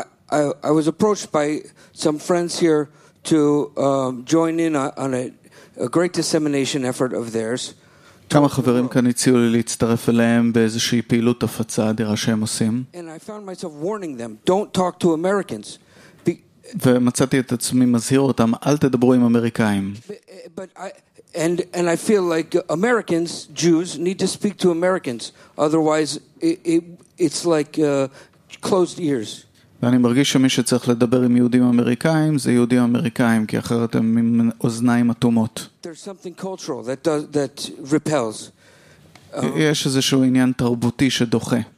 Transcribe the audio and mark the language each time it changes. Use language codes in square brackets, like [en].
[en] I was approached by some friends here to join in on a great dissemination effort of theirs. [he] כמה חברים כאן הציעו לי להצטרף אליהם באיזושהי פעילות הפצה אדירה שהם עושים. [en] And I found myself warning them, don't talk to Americans. [he] ומצאתי את עצמי מזהיר אותם, אל תדברו עם אמריקאים. [en] And I feel like Americans, Jews, need to speak to Americans. Otherwise, it's like closed ears. [he] ואני מרגיש שמי שצריך לדבר עם יהודים אמריקאים, זה יהודים אמריקאים, כי אחרת הם עם אוזניים אטומות. [en] There's something cultural that repels. [he] יש איזשהו עניין תרבותי שדוחה.